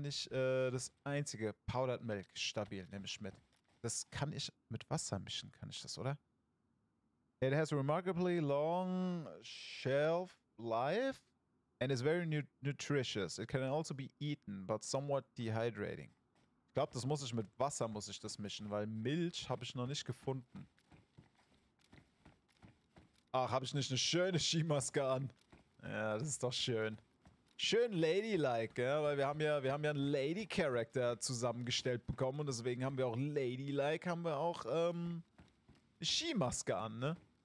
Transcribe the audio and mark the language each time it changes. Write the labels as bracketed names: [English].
[German] das einzige. Powdered Milk stabil, nehme ich mit. Das kann ich mit Wasser mischen, kann ich das, oder? [English] It has a remarkably long shelf life. And it's very nutritious. It can also be eaten, but somewhat dehydrating. [German] Ich glaube, das muss ich mit Wasser muss ich das mischen, weil Milch habe ich noch nicht gefunden. Ach, habe ich nicht eine schöne Skimaske an? Ja, das ist doch schön. Schön ladylike, ja, weil wir haben ja einen Lady-Character zusammengestellt bekommen und deswegen haben wir auch ladylike, haben wir auch eine Skimaske an, ne?